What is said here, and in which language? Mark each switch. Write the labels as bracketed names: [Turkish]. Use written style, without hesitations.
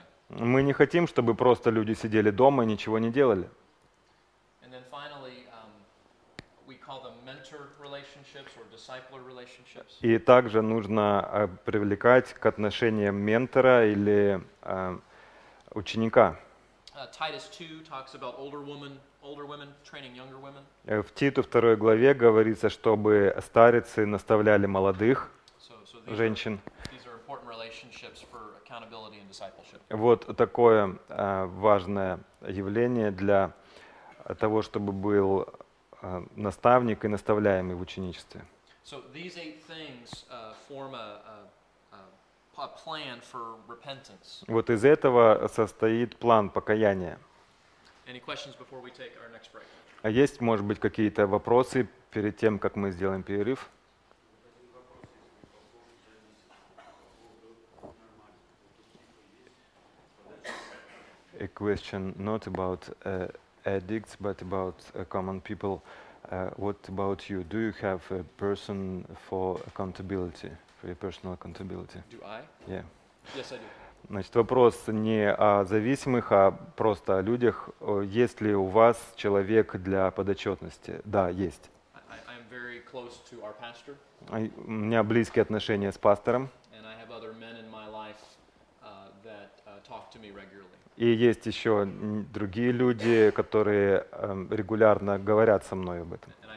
[Russian] Мы не хотим, чтобы просто люди сидели дома и ничего не делали. [English] finally, we call them mentor relationships or discipler relationships. [Russian] И также нужно привлекать к отношениям ментора или ученика. [English] Titus 2 talks about older women training younger women. [Russian] В Титу 2 главе говорится, чтобы старицы наставляли молодых женщин. [English] These are important relationships for accountability and discipleship. [Russian] Вот такое важное явление для того, чтобы был наставник и наставляемый в ученичестве. [English] So these eight things form a plan for repentance. [Russian] Вот из этого состоит план покаяния. [English] Any questions before we take our next break? [Russian] А есть, может быть, какие-то вопросы перед тем, как мы сделаем перерыв? [English] A question not about addicts, but about common people. What about you? Do you have a person for accountability, for your personal accountability? Do I? Yeah. Yes, I do. [Russian] Значит, вопрос не о зависимых, а просто о людях. Есть ли у вас человек для подотчетности? Да, есть. [English] I am very close to our pastor. [Russian] У меня близкие отношения с пастором. [English] And I have other men in my life that talk to me regularly. [Russian] И есть еще другие люди, которые регулярно говорят со мной об этом.